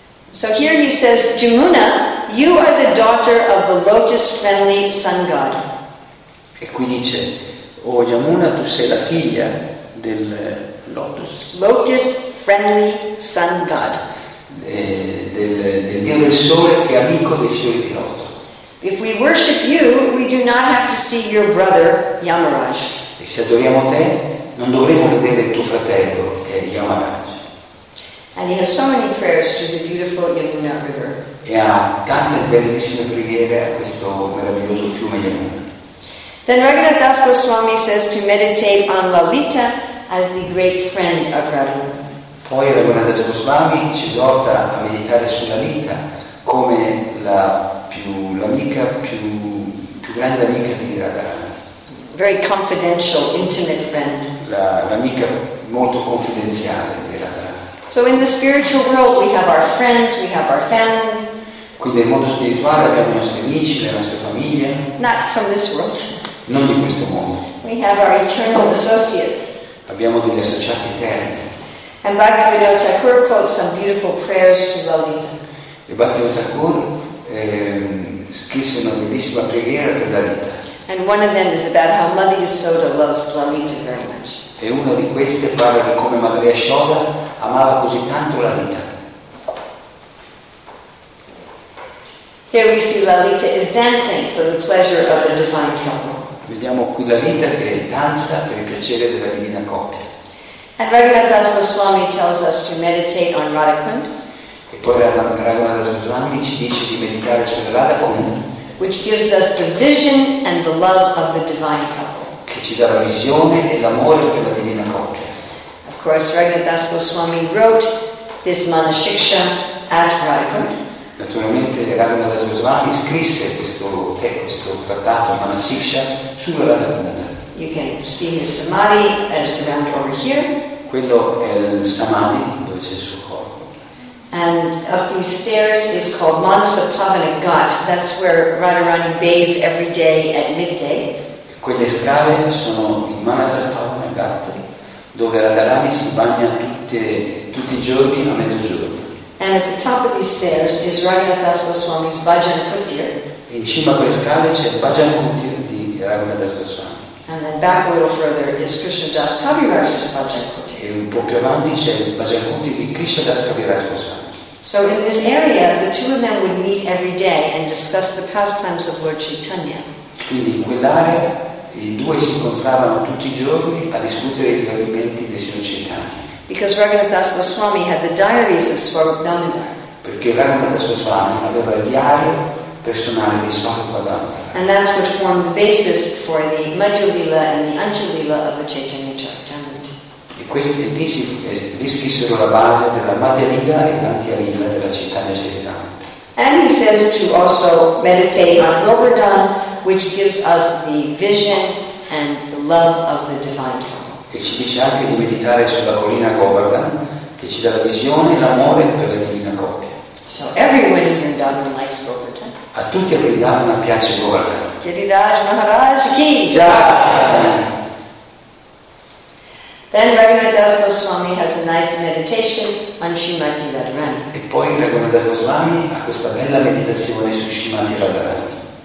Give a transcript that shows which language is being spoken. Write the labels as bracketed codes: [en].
[en] So here he says, Yamuna, you are the daughter of the lotus-friendly sun god. [it] E qui dice, oh Yamuna, tu sei la figlia del lotus. [en] Lotus-friendly sun god. [it] Del dio del sole che è amico dei fiori di loto. [en] If we worship you, we do not have to see your brother Yamaraj. [it] E se adoriamo te, non dovremo vedere il tuo fratello che è Yamaraj. [en] And he has so many prayers to the beautiful Yamuna River. [it] E ha tante bellissime preghiere a questo meraviglioso fiume Yamuna. [en] Then Raghunath Das Goswami says to meditate on Lalita as the great friend of Radharani. [it] Poi Raghunath Das Goswami ci esorta a meditare su Lalita come la l'amica più grande amica di Radharani. [en] Very confidential, intimate friend. [it] L'amica molto confidenziale di Radharani. [en] So in the spiritual world we have our friends, we have our family. [it] Quindi nel mondo spirituale abbiamo i nostri amici, le nostre famiglie. [en] Not from this world. [it] Non di questo mondo. [en] We have our eternal associates. [it] Abbiamo degli associati eterni. [en] And Bhaktivinoda Thakur quotes some beautiful prayers to Lalita. [it] E Bhaktivinoda Thakur scrisse una bellissima preghiera per Lalita. [en] And one of them is about how Mother Yasoda loves Lalita very much. [it] E una di queste parla di come Madre Yashoda amava così tanto Lalita. [en] Here we see Lalita is dancing for the pleasure of the divine couple. [it] Vediamo qui Lalita che danza per il piacere della divina coppia. [en] And Raghunath Das Goswami tells us to meditate on Radhakund. [it] E poi Raghunath Das Goswami ci dice di meditare su Radhakund. [en] Which gives us the vision and the love of the divine couple. [it] Che ci dà la visione e l'amore per la divina coppia. [en] Of course, Raghunath Das Goswami wrote this Manashiksha at Radhakund. [it] Naturalmente Raghunath Das Goswami scrisse questo trattato Manashiksha su Radhakund. [en] You can see his samadhi as around over here. [it] Quello è il samadhi dove c'è il suo corpo. [en] And up these stairs is called Manasa Pavana Ghat. That's where Radharani bathes every day at midday. [it] Quelle scale sono il Manasa Pavana Ghat, dove Radharani si bagna tutti i giorni a mezzogiorno. [en] And at the top of these stairs is Raghunathas Goswami's Bhajan Kutir. [it] In cima a quelle scale c'è il Bhajan Kutir di Raghunathas Goswami. [en] And then back a little further is Krishna Das Kaviraj's Bhajan Kutir. [it] E un po' più avanti c'è il Bhajan Kutir di Krishna Das Kaviraj Goswami. [en] So in this area, the two of them would meet every day and discuss the pastimes of Lord Chaitanya. [it] Quindi in quell'area i due si incontravano tutti i giorni a discutere i divertimenti del Signore Chaitanya. [en] Because Raghunathas Goswami had the diaries of Swarup Damodar. [it] Perché Raghunathas Goswami aveva il diario personale di Swarup Damodar. [en] And that's what formed the basis for the Majjalila and the Anjalila of the Chaitanya Charitamrita. [it] E questi lì scrissero la base della Madhyalila e l'Antyalila della Chaitanya Charitamrita. [en] And he says to also meditate on Govardhan, which gives us the vision and the love of the divine. [it] E ci dice anche di meditare sulla collina Govardhan, che ci dà la visione e l'amore per la divina coppia. [en] So everyone in Vrindavan likes Govardhan. [it] A tutti a Vrindavan piace Govardhan. [hi] Giriraj Maharaj ki. Ja. [en] Then Raghunathas Goswami has a nice meditation on Srimati Radharani. [it] E poi Raghunathas Goswami ha questa bella meditazione su Srimati Radharani.